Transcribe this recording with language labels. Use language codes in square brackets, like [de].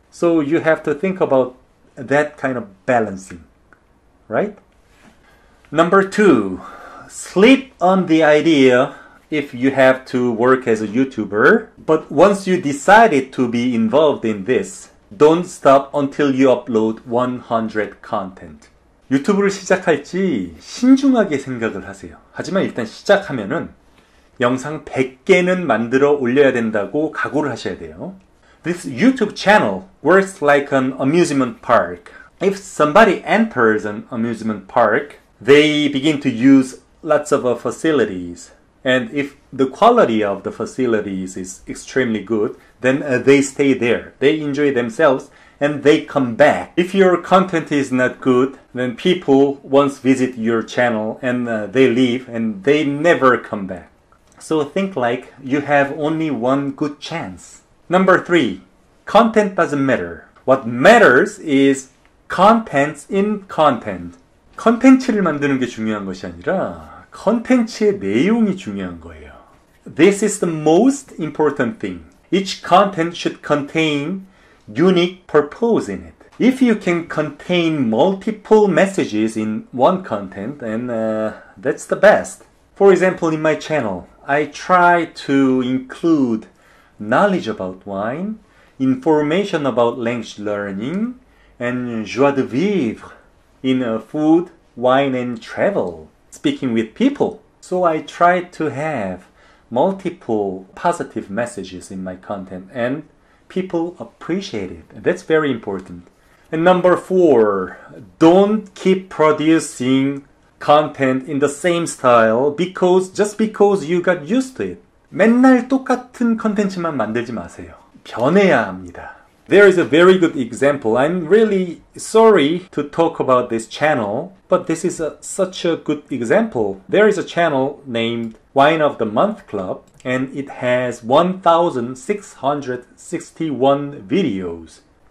[en] So you have to think about that kind of balancing, right? Number 2, sleep on the idea if you have to work as a YouTuber. But once you decided to be involved in this, don't stop until you upload 100 content. [ko] 유튜브를 시작할지 신중하게 생각을 하세요. 하지만 일단 시작하면은 영상 100개는 만들어 올려야 된다고 각오를 하셔야 돼요. [en] This YouTube channel works like an amusement park. If somebody enters an amusement park, they begin to use lots of facilities. And if the quality of the facilities is extremely good, then they stay there. They enjoy themselves and they come back. If your content is not good, then people once visit your channel and they leave and they never come back. So think like you have only one good chance. Number three, content doesn't matter. What matters is contents in content. [ko] 콘텐츠를 만드는 게 중요한 것이 아니라 콘텐츠의 내용이 중요한 거예요. [en] This is the most important thing. Each content should contain unique purpose in it. If you can contain multiple messages in one content, then that's the best. For example, in my channel, I try to include knowledge about wine, information about language learning, and joie de vivre in food, wine, and travel, speaking with people. So I try to have multiple positive messages in my content, and people appreciate it. That's very important. And number four, don't keep producing content in the same style because you got used to it. [ko] 맨날 똑같은 콘텐츠만 만들지 마세요. 변해야 합니다. [en] There is a very good example. I'm really sorry to talk about this channel, but this is such a good example. There is a channel named Wine of the Month Club, and it has 1,661 videos.